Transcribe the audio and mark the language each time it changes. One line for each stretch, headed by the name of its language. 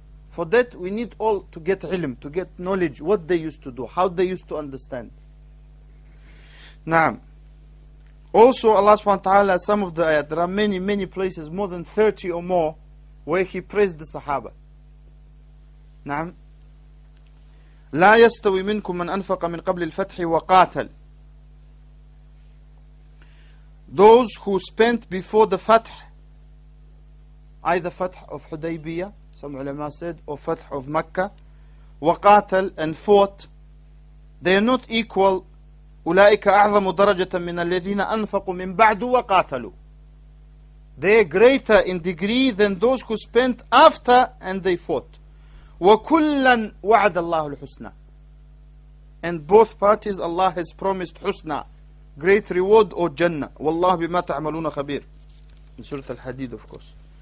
English: For that, we need all to get ilm, to get knowledge, what they used to do, how they used to understand. Naam. Also, Allah subhanahu wa ta'ala, some of the ayat, there are many, many places, more than 30 or more, where he praised the Sahaba. Naam.
Arabic: لا يستوي منكم من أنفق من قبل الفتح وقاتل.
English: Those who spent before the Fath, either Fath of Hudaybiyah, some ulama said, or Fath of Mecca,
Arabic: وقاتل
English: and fought, they are not equal.
Arabic: أولئك أعظم درجة من الذين أنفقوا من بعد وقاتلوا.
English: They are greater in degree than those who spent after and they fought.
Arabic: وَكُلًّا وَعَدَ اللَّهُ الْحُسْنَى.
English: And both parties, Allah has promised husna, great reward or jannah.
Arabic: وَاللَّهُ بِمَا تَعْمَلُونَ خَبِيرٌ.
English: In Surah Al-Hadid, of course.